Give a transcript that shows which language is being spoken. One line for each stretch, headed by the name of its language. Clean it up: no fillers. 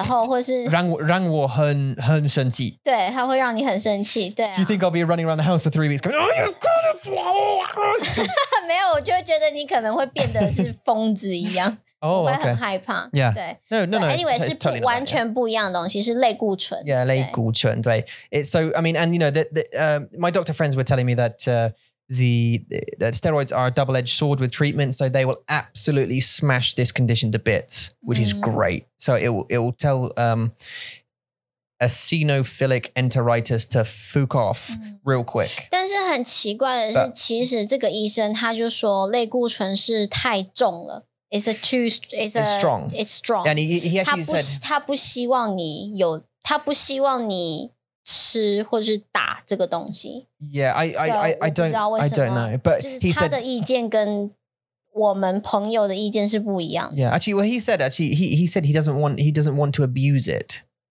Chinese: 因为它是让你就是有压力的时候,或是让我很生气。对,它会让你很生气,对啊。
English: Do you think I'll be running around the house for 3 weeks going, oh, you've got to fly!
Chinese: 没有,我就会觉得你可能会变得是疯子一样。
English: Oh, okay.
Chinese: 我会很害怕。
English: Yeah.
Chinese: 对,
English: no, no, no. Anyway, it's totally
Chinese: 完全不一样的东西, 是类固醇。
English: Yeah,
Chinese: 类固醇, 对。
English: It's so, I mean, and you know, my doctor friends were telling me that the steroids are a double-edged sword with treatment, so they will absolutely smash this condition to bits, which is great. So it will tell eosinophilic enteritis to fuck off real quick.
Chinese: 但是很奇怪的是, 其实这个医生他就说类固醇是太重了。
English: It's strong. And he actually said he doesn't want you to eat or drink this. Yeah, I don't know. But he said his opinion and our friend's opinion is different. Yeah, actually, well, he said he doesn't want to abuse it.